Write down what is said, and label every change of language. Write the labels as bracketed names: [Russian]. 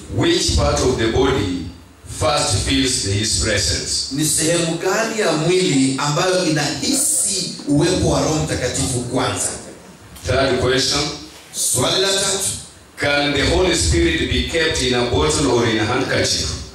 [English] which part of the body first feels his presence? [Swahili] Ni sehemu gani ya mwili ambayo inahisi uwepo wa Roho Mtakatifu kwanza? [English] Third question. [Swahili] Swali la tatu, [English] Can the Holy Spirit be kept in a bottle or in a handkerchief?